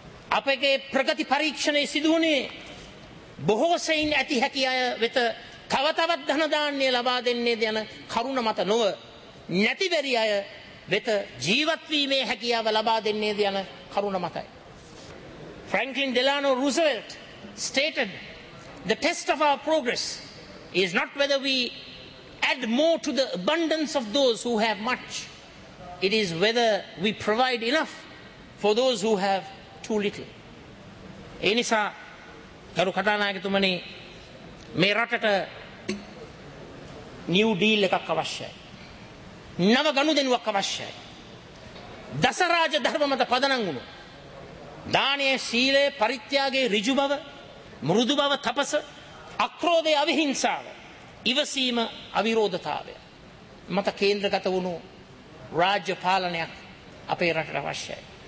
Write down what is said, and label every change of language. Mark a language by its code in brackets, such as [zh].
[si] අපගේ ප්‍රගති පරීක්ෂණය සිදුවුණේ බොහෝ සෙයින් ඇති හැකි අය වෙත තව තවත් ධනධාන්‍ය ලබා දෙන්නේ යන කරුණ මත නොව, නැතිබැරි අය වෙත ජීවත්වීමේ හැකියාව ලබා දෙන්නේ යන කරුණ මතයි. [en] Franklin Delano Roosevelt stated, "The test of our progress is not whether we add more to the abundance of those who have much. It is whether we provide enough for those who have too little." [si] ඒ නිසා ගරු කතානායකතුමනි, මේ රටට New deal එකක් අවශ්‍යයි. නව ගනුදෙනුවක් අවශ්‍යයි. දසරාජ ධර්ම මත පදනම් වුණු දානයේ සීලේ පරිත්‍යාගයේ ඍජු බව, මෘදු බව, තපස, අක්‍රෝධයේ අවිහිංසාව, ඉවසීම අවිරෝධතාවය මත කේන්ද්‍රගත වුණු රාජ්‍ය පාලනයක් අපේ රටට අවශ්‍යයි.